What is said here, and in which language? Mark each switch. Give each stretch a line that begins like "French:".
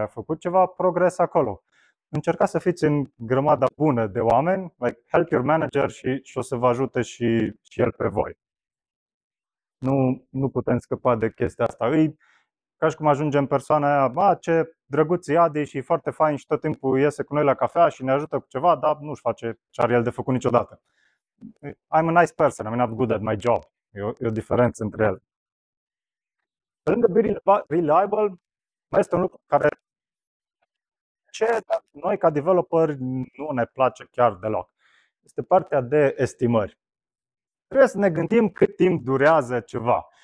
Romanian: Ai făcut ceva progres acolo? Încercați să fiți în grămada bună de oameni,
English: like help your manager
Romanian: și o să vă ajute și el pe voi. Nu putem scăpa de chestia asta. E ca și cum ajungem persoana aia, ce drăguț e Adi și e foarte fain și tot timpul iese cu noi la cafea și ne ajută cu ceva, dar nu-și face ce are el de făcut niciodată.
English: I'm a nice person, I'm not good at my job.
Romanian: E o diferență între ele. Pe lângă
English: be reliable,
Romanian: mai este un lucru care noi ca developeri nu ne place chiar deloc. Este partea de estimări. Trebuie să ne gândim cât timp durează ceva.